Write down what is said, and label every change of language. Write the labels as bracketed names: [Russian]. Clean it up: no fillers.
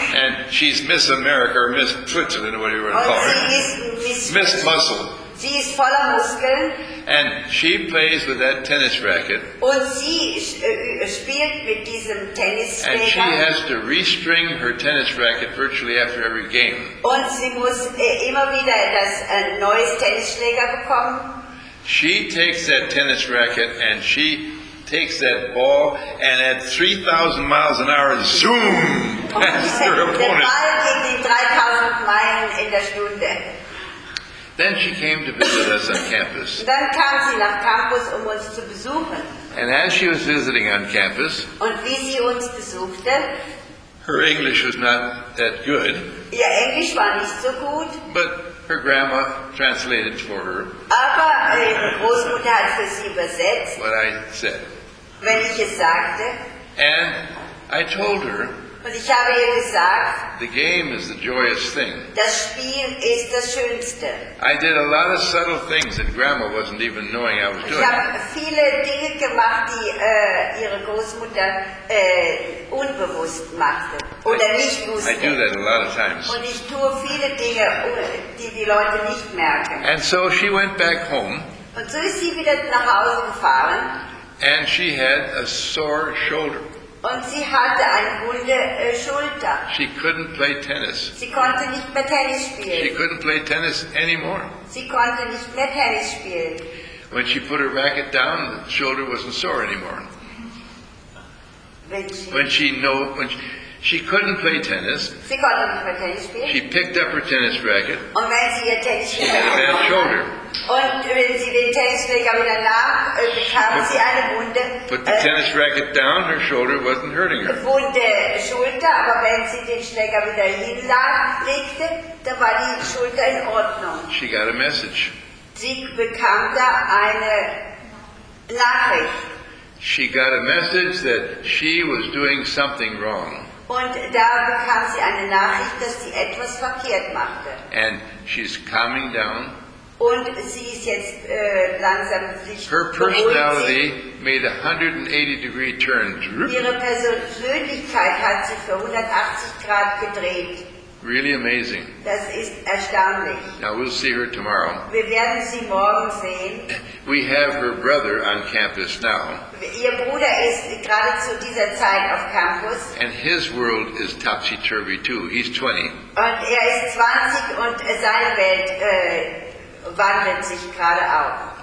[English] And she's Miss America or Miss Switzerland, whatever you want to call her. Miss Muscle. [German] Sie ist voller Muskeln. [English] And she plays with that tennis racket. [German] Und sie spielt mit diesem Tennisschläger. [English] And she has to restring her tennis racket virtually after every game. [German] Und sie muss immer wieder das neues Tennisschläger bekommen. [English] She takes that tennis racket and she takes that ball and at 3,000 miles an hour, zoom, past her opponent. [German] Der Ball ging die 3,000 Meilen in der Stunde. [English] Then she came to visit us on campus. [German] Dann kam sie nach Campus, um uns zu besuchen. [English] And as she was visiting on campus, [German] und wie sie uns besuchte, [English] her English was not that good. [German] Ihr Englisch war nicht so gut. [English] But her grandma translated for her. [German] Aber ihre Großmutter hat für sie übersetzt. [English] What I said. [German] wenn ich es sagte. [English] And I told her, [German] und ich habe ihr gesagt, [English] the game is the joyous thing. [German] Das Spiel ist das Schönste. [English] I did a lot of subtle things that Grandma wasn't even knowing I was doing. [German] Ich habe viele Dinge gemacht, die ihre Großmutter unbewusst machte oder nicht wusste. [English] I do that a lot of times. [German] Und ich tue viele Dinge, die Leute nicht merken. [English] And so she went back home. [German] Und so ist sie wieder nach Hause gefahren. [English] And she had a sore shoulder. [German] Und sie hatte eine wunde Schulter. [English] She couldn't play tennis. [German] Sie konnte nicht mehr Tennis spielen. [English] She couldn't play tennis anymore. [German] Sie konnte nicht mehr Tennis spielen. [English] When she put her racket down, the shoulder wasn't sore anymore. When she couldn't play tennis. [German] Sie konnte nicht mehr Tennis spielen. [English] She picked up her tennis racket. [German] Und wenn sie ihr Tennis spielen, [English] she had a bad shoulder. [German] Und wenn sie den Tennisschläger wieder nahm, bekam sie eine Wunde. [English] Put the tennis racket down, her shoulder wasn't hurting her. [German] Wunde Schulter, aber wenn sie den Schläger wieder hinlegte, dann war die Schulter in Ordnung. [English] She got a message. [German] Sie bekam da eine Nachricht. [English] She got a message that she was doing something wrong. [German] Und da bekam sie eine Nachricht, dass sie etwas verkehrt machte. [English] And she's calming down. [German] Und sie ist jetzt langsam sich. [English] Her personality made a 180-degree turn. [German] Ihre Persönlichkeit hat sich für 180 Grad gedreht. [English] Really amazing. [German] Das ist erstaunlich. [English] Now we'll see her tomorrow. [German] Wir werden sie morgen sehen. [English] We have her brother on campus now. [German] Ihr Bruder ist gerade zu dieser Zeit auf Campus. [English] And his world is topsy-turvy too. He's 20. [German] Und er ist 20 und seine Welt wandelt sich gerade auf.